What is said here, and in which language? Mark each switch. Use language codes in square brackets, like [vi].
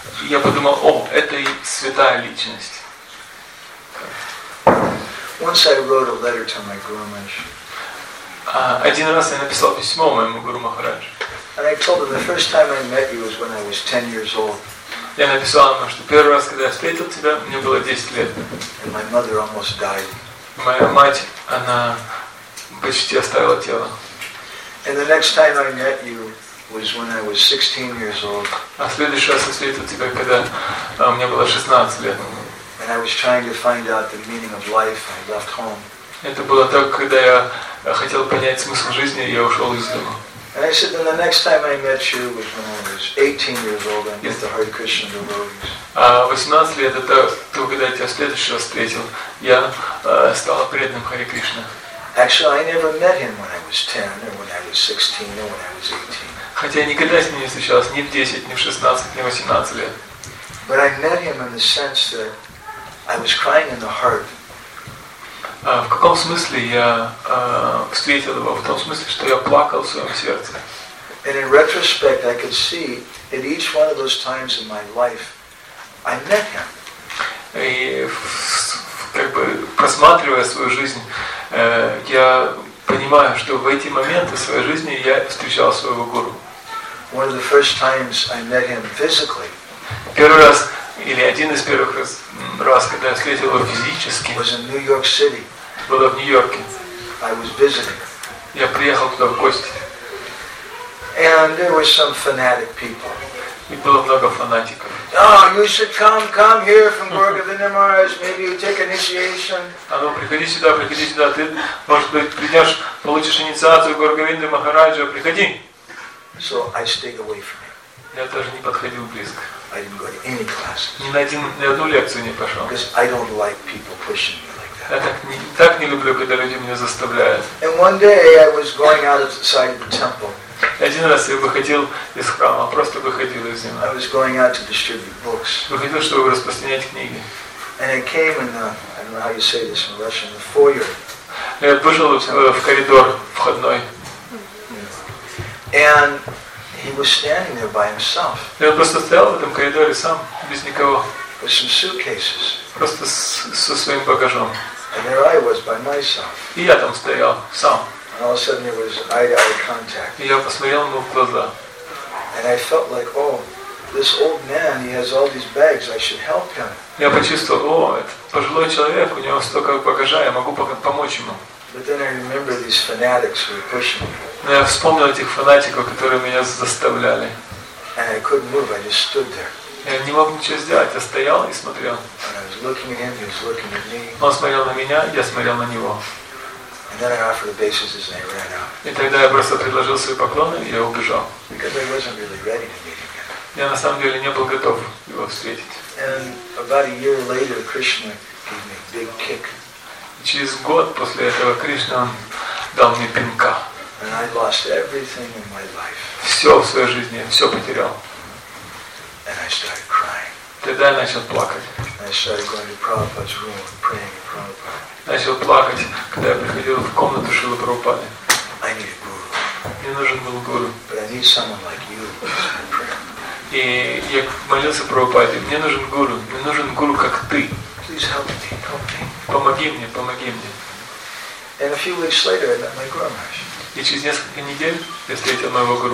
[ru] Я подумал, о, это и святая личность. [en] Once I wrote a letter to my Guru Maharaj. [ru] Один раз я написал письмо моему Гуру Махараджу. [en] And I told him the first time I met you was when I was 10 years old. [ru] Я написал ему, что первый раз, когда я встретил тебя, мне было 10 лет. [en] And my mother almost died. [ru] Моя мать, она почти оставила тело. [en] And the next time I met you was when I was 16 years old. [ru] А следующий раз я встретил тебя, когда мне было 16 лет. [en] And I was trying to find out the meaning of life. I left home. [ru] Это было так, когда я хотел понять смысл жизни, я ушел из дома. [en] And I said, then the next time I met you was when I was 18 years old and with the Hare Krishna devotees. [ru] А 18 лет это то, когда я тебя следующий раз встретил, я стал преданным Харе Кришне. [en] Actually, I never met him when I was 10, or when I was 16, or when I was 18. [ru] Хотя я никогда с ним не встречался, ни в 10, ни в 16, ни в 18 лет. [en] But I met him in the sense that I was crying in the heart. [ru] В каком смысле я встретил его? В том смысле, что я плакал в своем сердце. [en] And in retrospect, I could see at each one of those times in my life, I met him. [ru] И как бы просматривая свою жизнь, я понимаю, что в эти моменты своей жизни я встречал своего гуру. [en] One of the first times I met him physically. [ru] Первый раз или один из первых раз, когда я встретил его физически, [en] was in New York City. [ru] Было в Нью-Йорке. [en] I was visiting. [ru] Я приехал туда в гости. [en] And there were some fanatic people. [ru] И было много фанатиков. [en] Oh, you should come here from Guru Govinda Maharaj. Maybe you take initiation. [ru] А ну приходи сюда, ты может быть придешь, получишь инициацию Гуру Говинды Махараджа, приходи. [en] So I stayed away from him. [ru] Я тоже не подходил близко. [en] I didn't go to any class. [ru] Ни одну лекцию не пошел. [en] Because I don't like people pushing me like that. [ru] Я так не люблю, когда люди меня заставляют. [en] And one day I was going out of the side of the temple. [ru] Один раз я выходил из храма, просто выходил из него. [en] I was going out to distribute books. [ru] Выходил, чтобы распространять книги. [en] And I came in the, I don't know how you say this in Russian, the foyer. [ru] Я вышел в коридор входной. [en] And he was standing there by himself. [ru] И он просто стоял в этом коридоре сам, без никого. [en] With some suitcases. [ru] Просто со своим багажом. [en] And there I was by myself. [ru] И я там стоял сам. [en] And all of a sudden there was eye-to-eye contact. [ru] И я посмотрел ему в глаза. [en] And I felt like, oh, this old man, he has all these bags, I should help him. [ru] Я почувствовал, о, это пожилой человек, у него столько багажа, я могу помочь ему. [en] But then I remember these fanatics who were pushing me. [ru] Но я вспомнил этих фанатиков, которые меня заставляли. [en] And I couldn't move, I just stood there. [ru] Я не мог ничего сделать, я стоял и смотрел. [en] And I was looking at him, he was looking at me. [ru] Он смотрел на меня, я смотрел на него. [en] And then I offered obeisances and I ran out. [ru] И тогда я просто предложил свои поклоны и я убежал. [en] Because I wasn't really ready to meet him. [ru] Я на самом деле не был готов его встретить. [en] And about a year later, Krishna gave me a big kick. [ru] Через год после этого Кришна дал мне пинка. [en] And I lost everything in my life. [ru] Все в своей жизни, я все потерял. [en] And I started crying. [ru] Тогда я начал плакать. [en] And I started going to Prabhupada's room and praying to Prabhupada. [ru] Начал плакать, когда я приходил в комнату Шрилы Прабхупады. [en] I need a guru. [ru] Мне нужен был гуру. [en] But I need someone like you. [ru] И я молился Прабхупаде, мне нужен гуру. Мне нужен гуру, как ты. [en] Please help me. [ru] Помоги мне, помоги мне. [en] And a few weeks later, I met my Guru Maharaj. [ru] И через несколько недель я встретил моего Гуру